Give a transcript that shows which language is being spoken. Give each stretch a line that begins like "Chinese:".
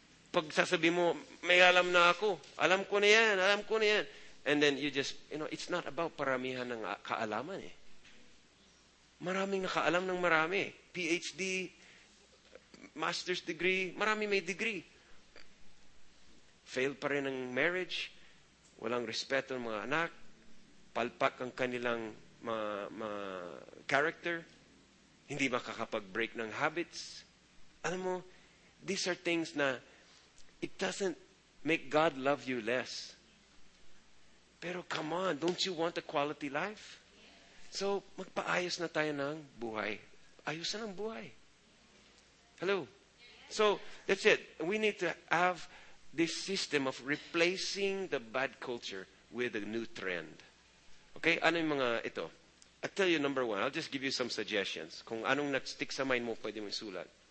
Filipino: Pag sasabihin mo, may alam na ako. Alam ko na yan, alam ko na yan.
English: And then you just, you know, it's not about
Filipino: paramihan ng kaalaman eh. Maraming nakaalam ng marami. PhD, master's degree, marami may degree. Failed pa rin ang marriage, walang respeto ng mga anak, palpak ang kanilang mga character, hindi makakapag-break ng habits. Alam mo,
English: these are things na it doesn't make God love you less. Pero come on, don't you want a quality life?
Filipino: So, magpaayos na tayo ng buhay. Ayusan ang buhay. Hello?
English: So, that's it. We need to have this system of replacing the bad culture with a new trend. Okay? Ano yung mga ito? I'll tell you number one. I'll just give you some suggestions.
Filipino: Kung anong nag-stick sa mind mo, pwede mo isulat.